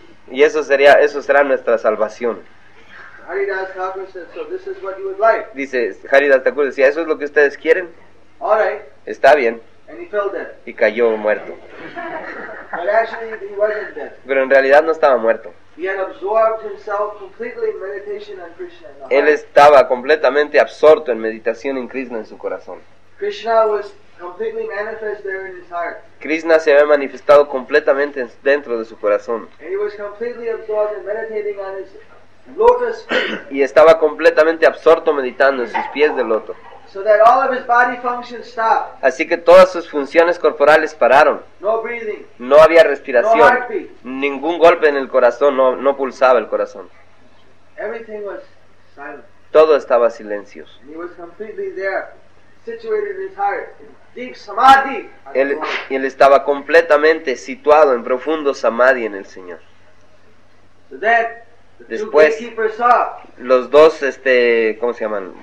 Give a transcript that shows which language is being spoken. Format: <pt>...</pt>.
<es>Y eso será nuestra salvación.</es> <en>Haridas Thakur said, so this is what you would like.</en> <es>Dice, Haridas Thakur decía, ¿eso es lo que ustedes quieren?</es> <en>All right.</en> <es>Está bien.</es> <en>And he fell dead.</en> <es>Y cayó muerto.</es> <en>But actually, he wasn't dead.</en> <es>Pero en realidad no estaba muerto.</es> <en>He had absorbed himself completely in meditation on Krishna.</en> <es>Él estaba completamente absorto en meditación en Krishna en su corazón.</es> <en>Krishna was completely manifest there in his heart.</en> <es>Krishna se había manifestado completamente dentro de su corazón.</es> <en>And he was completely absorbed in meditating on his lotus feet.</en> <es>Y estaba completamente absorto meditando en sus pies de loto.</es> <en>So that all of his body functions stopped.</en> <es>Así que todas sus funciones corporales pararon.</es> <en>No breathing.</en> <es>No había respiración.</es> <en>No heartbeat.</en> <es>Ningún golpe en el corazón, no pulsaba el corazón.</es> <en>Everything was silent.</en> <es>Todo estaba silencio.</es> <en>And he was completely there, situated in his heart, deep samadhi.</en> <es>Él estaba completamente situado en profundo samadhi en el Señor.</es> <en>So that</en> <es>después, los dos, ¿cómo se llaman?</es>